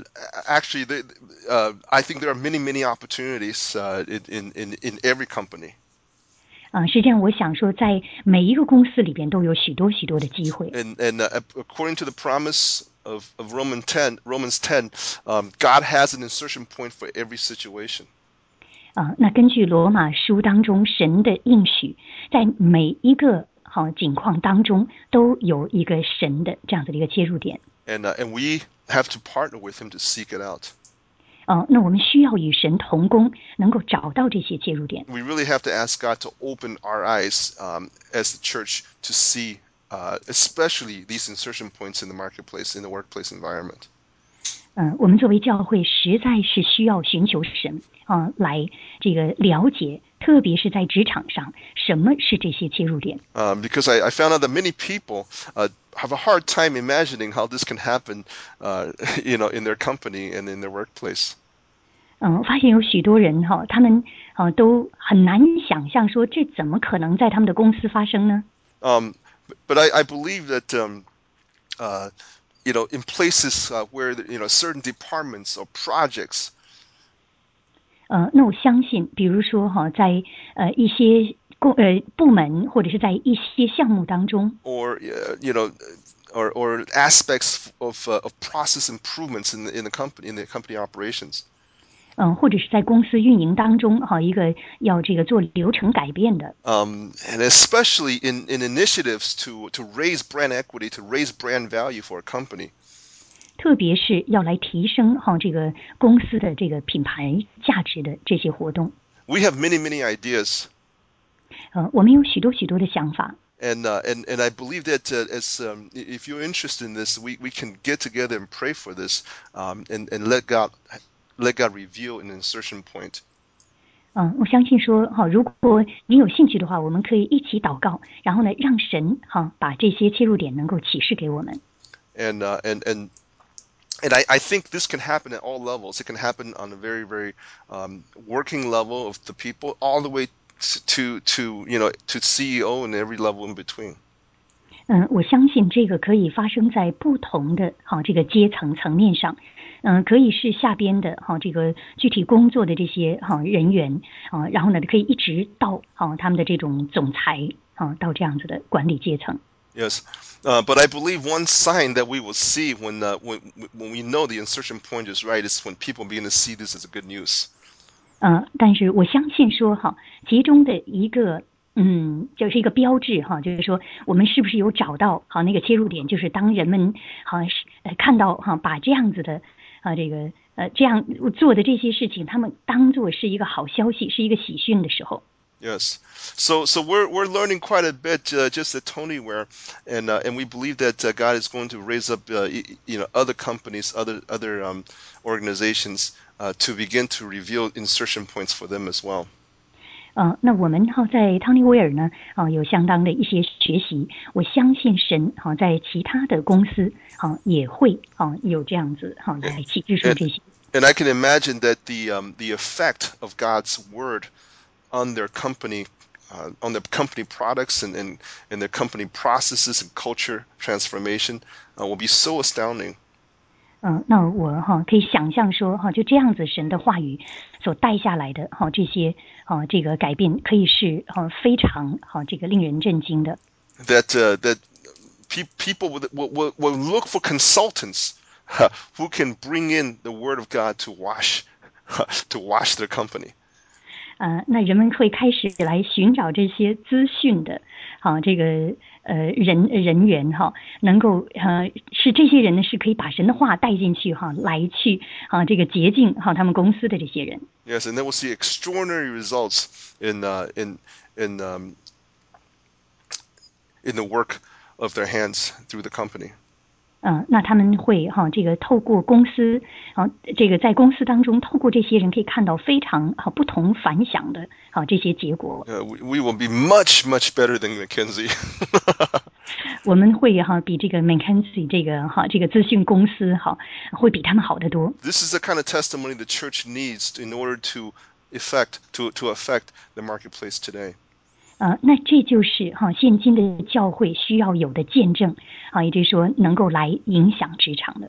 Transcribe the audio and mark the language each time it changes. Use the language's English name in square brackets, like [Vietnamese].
[English] I think there are many many opportunities in every company. [Chinese] 实际上我想说，在每一个公司里边都有许多许多的机会。 [English] And according to the promise of Romans 10, God has an insertion point for every situation. [Chinese] 那根据罗马书当中神的应许，在每一个情况当中都有一个神的这样子的一个切入点。 [English] And we have to partner with him to seek it out. [Chinese] 那我们需要与神同工，能够找到这些切入点。 [English] We really have to ask God to open our eyes, as the church to see, especially these insertion points in the marketplace, in the workplace environment. [Chinese] 我们作为教会实在是需要寻求神，来这个了解，特别是在职场上，什么是这些切入点。 [English] Because I found out that many people, have a hard time imagining how this can happen, you know, in their company and in their workplace. [Chinese] 发现有许多人他们都很难想象说这怎么可能在他们的公司发生呢？ [English] But I believe that, you know, in places where the, you know, certain departments or projects. [Chinese] 那我相信，比如说在一些部门或者是在一些项目当中 [English] ，or you know, or aspects of process improvements in the company operations， [Chinese] 或者是在公司运营当中一个要这个做流程改变的。 [English] And especially in initiatives to raise brand equity, to raise brand value for a company， [Chinese] 特别是要来提升这个公司的这个品牌价值的这些活动。 [English] We have many many ideas。 [Chinese] 我们有许多许多的想法。 [English] And I believe that if you're interested in this, we can get together and pray for this, and let God reveal an insertion point. [Chinese] 我相信说如果你有兴趣的话，我们可以一起祷告，然后呢，让神把这些切入点能够启示给我们。 And and and [English] And I think this can happen at all levels. It can happen on a very, very working level of the people, all the way to CEO and every level in between. [Chinese] 我相信这个可以发生在不同的这个阶层层面上，可以是下边的这个具体工作的这些人员然后呢可以一直到他们的这种总裁到这样子的管理阶层。 [English] Yes, but I believe one sign that we will see when we know the insertion point is right is when people begin to see this as a good news. [Chinese] 但是我相信说其中的一个就是一个标志就是说我们是不是有找到那个切入点，就是当人们看到把这样子的这个这样做的这些事情他们当作是一个好消息，是一个喜讯的时候。 [English] Yes, so we're learning quite a bit just at Tonyware, and we believe that God is going to raise up other companies, other organizations to begin to reveal insertion points for them as well. [Chinese] 那我们在 Tonyware 呢有相当的一些学习，我相信神在其他的公司也会有这样子来启示出这些。 [English] And I can imagine that the effect of God's word. On their company, on their company products and their company processes and culture transformation, will be so astounding. [Chinese] 那我可以想象说就这样子神的话语所带下来的这些这个改变可以是非常这个令人震惊的。 [English] That that people will look for consultants who can bring in the word of God to wash their company. [Chinese] 那人们会开始来寻找这些资讯的这个人员能够是这些人呢是可以把神的话带进去来去这个洁净他们公司的这些人。 [English] Yes, and then we'll see extraordinary results in the work of their hands through the company. [Chinese] 那他们会这个透过公司这个在公司当中透过这些人可以看到非常不同凡响的这些结果。 [English] We will be much, much better than McKinsey. [Chinese] 我们会比这个 McKinsey 这个资讯公司会比他们好得多。 [English] This is the kind of testimony the church needs in order to affect the marketplace today. [Chinese] 那这就是现今的教会需要有的见证也就是说能够来影响职场的。